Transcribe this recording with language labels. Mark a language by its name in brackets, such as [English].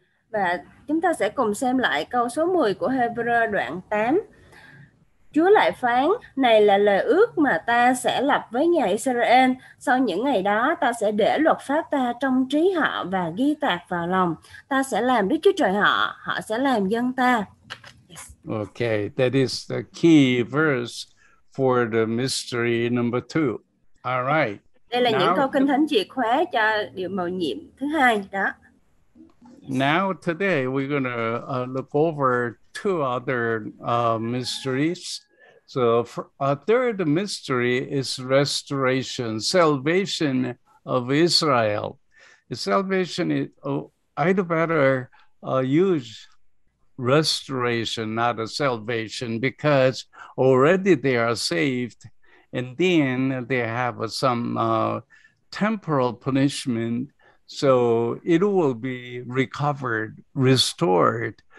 [Vietnamese] Và chúng ta sẽ cùng xem lại câu số 10 của Hebrew đoạn 8. Chúa lại phán: Này là lời ước mà ta sẽ lập với nhà Israel, sau những ngày đó ta sẽ để luật pháp ta trong trí họ và ghi tạc vào lòng. Ta sẽ làm Đức Chúa Trời họ, họ sẽ làm dân ta. [English] Yes. Okay, that is the key verse for the mystery number two. All right. [Vietnamese] Đây là những câu Kinh Thánh chìa khóa cho điều mầu nhiệm thứ hai đó. [English] Now today we're going to look over two other mysteries. A third mystery is restoration, salvation of Israel. The salvation is, I'd better use restoration, not a salvation, because already they are saved, and then they have some temporal punishment, so it will be recovered, restored.